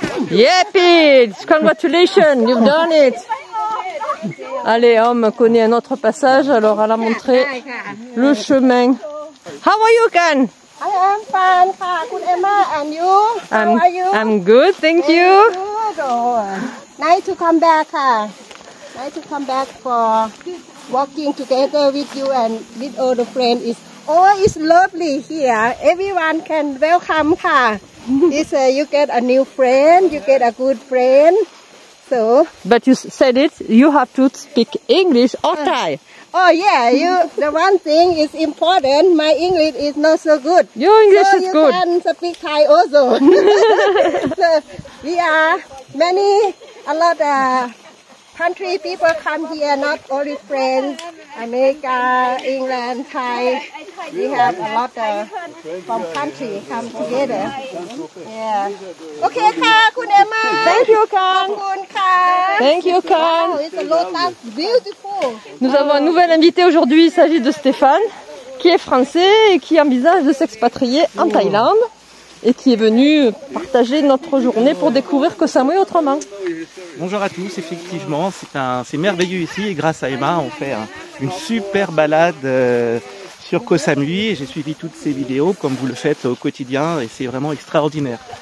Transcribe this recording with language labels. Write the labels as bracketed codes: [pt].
[en] Yeah, congratulations, you've done it. [fr] Allez, on me connaît un autre passage, alors elle a montré le chemin. [en] How are you, Can? I am fine, good Emma, and you? How are you? I'm good, thank you. Good. Oh, nice to come back. Nice to come back for walking together with you and with all the friends. It's lovely here. Everyone can welcome. You get a new friend, you get a good friend. So, but you said it, you have to speak English or Thai. Oh yeah, the one thing is important, my English is not so good. Your English so is good. So you can speak Thai also. So we are a lot of country people come here, not only friends, America, England, Thai. We have a lot of from country come together. Yeah. Okay, Ka, Kun Emma. Thank you, Kang. Thank you, Kang. Wow, it's a lot of beautiful. [fr] Nous avons un nouvel invité aujourd'hui, il s'agit de Stéphane, qui qui est français et qui envisage de s'expatrier en Thaïlande et qui est venu partager notre journée pour découvrir Koh Samui autrement. Bonjour à tous, effectivement, c'est merveilleux ici et grâce à Emma, on fait une super balade sur Koh Samui et j'ai suivi toutes ces vidéos comme vous le faites au quotidien et c'est vraiment extraordinaire.